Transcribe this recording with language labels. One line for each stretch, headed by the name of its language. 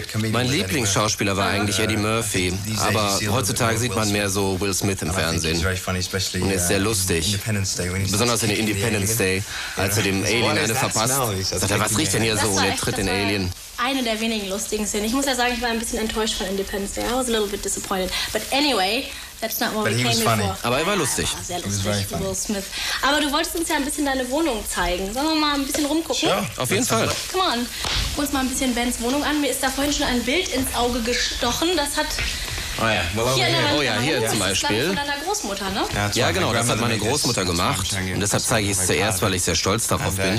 German: Mein Lieblingsschauspieler war eigentlich Eddie Murphy, aber heutzutage sieht man mehr so Will Smith im Fernsehen. Und ist sehr lustig, besonders in Independence Day, als er dem Alien eine verpasst. Sagt er, was riecht denn hier so? Und er tritt den Alien. Eine der wenigen lustigen Szenen. Ich muss ja sagen, ich war ein bisschen enttäuscht von Independence Day.
English: I was a little bit disappointed. But anyway, that's not what we came here for.
German: Aber er war lustig. Sehr lustig, Will Smith. Aber du wolltest uns ja ein bisschen deine Wohnung zeigen. Sollen wir mal ein bisschen rumgucken?
English: Sure.
German: Auf jeden Fall.
English: Come on.
German: Guck uns mal ein bisschen Bens Wohnung an. Mir ist da vorhin schon ein Bild ins Auge gestochen. Das hat... Hier zum Beispiel. Das ist von deiner Großmutter, ne? Ja, genau, das hat meine Großmutter gemacht. Und deshalb zeige ich es zuerst, weil ich sehr stolz darauf bin.